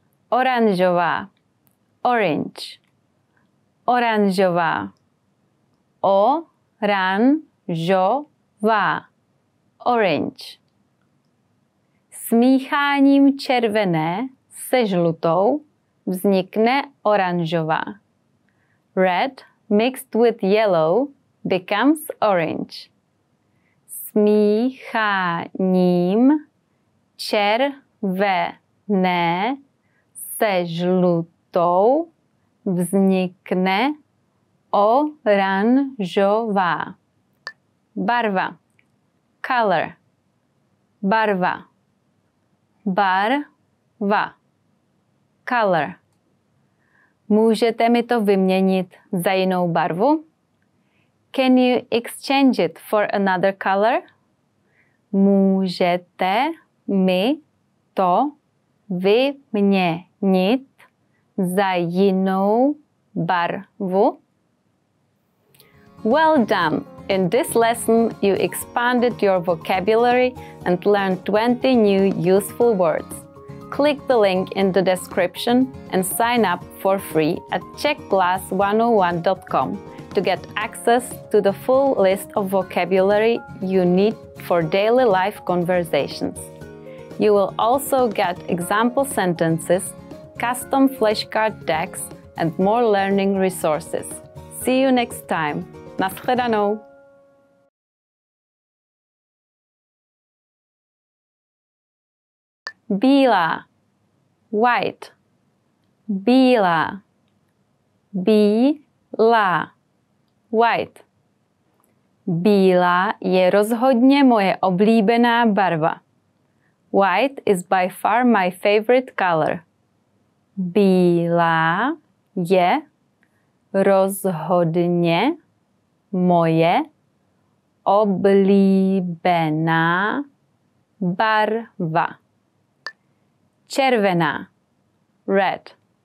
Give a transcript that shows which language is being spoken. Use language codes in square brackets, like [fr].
[cs] Oranžová. [en] orange. [cs] Oranžová. O-ran-žo-va. [en] Orange. [cs] Smícháním červené se žlutou vznikne oranžová. [en] Red mixed with yellow becomes orange. [cs] Smícháním červené se žlutou vznikne oranžová. Barva. [en] Color. [cs] Barva. Barva. [en] Color. [cs] Můžete mi to vyměnit za jinou barvu? [en] Can you exchange it for another color? [cs] Můžete mi to vyměnit za jinou barvu? [en] Well done! In this lesson, you expanded your vocabulary and learned 20 new useful words. Click the link in the description and sign up for free at czechclass101.com to get access to the full list of vocabulary you need for daily life conversations. You will also get example sentences, custom flashcard decks, and more learning resources. See you next time. [cs] Naschledanou! Bílá. [en] White. [cs] Bílá. Bílá. [en] White. [cs] Bílá je rozhodně moje oblíbená barva. [en] White is by far my favorite color. [cs] Bílá je rozhodně moje oblíbená barva. Červená. [en] Red.